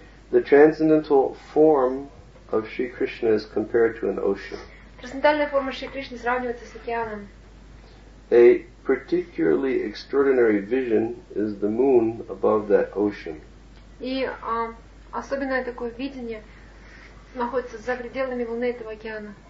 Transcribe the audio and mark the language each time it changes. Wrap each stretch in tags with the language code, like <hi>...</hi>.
<en>The transcendental form of Sri Krishna is compared to an ocean.</en> <ru>Трансцендентальная форма Шри Кришны сравнивается с океаном.</ru> <en>A particularly extraordinary vision is the moon above that ocean.</en> <ru>И особенное такое видение находится за пределами луны этого океана.</ru>